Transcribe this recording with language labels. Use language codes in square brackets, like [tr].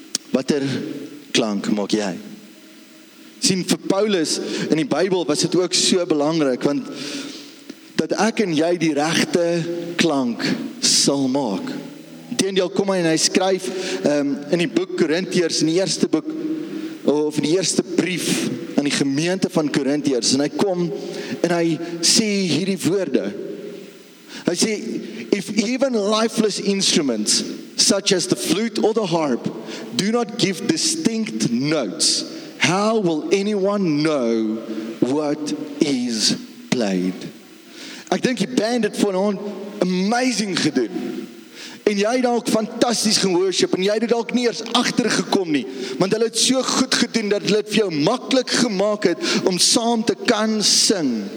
[af] Watter klank maak jy? Sien, vir Paulus in die Bybel was dit ook so belangrik, want dat ek en jy die regte klank sal maak. Teendeel kom hy en hy skryf in die boek Korintiërs, in die eerste boek, of die eerste brief aan die gemeente van Korintiërs, en hy kom en hy sê hierdie woorde. [en] Hy sê, if even lifeless instruments, such as the flute or the harp, do not give distinct notes, how will anyone know what is played? [af] Ek dink die band het vanaand amazing gedoen. En jy het ook fantasties geworship, en jy het ook nie eers agtergekom nie, want hulle het so goed gedoen, dat hulle het vir jou makkelijk gemaakt het, om saam te kan sing.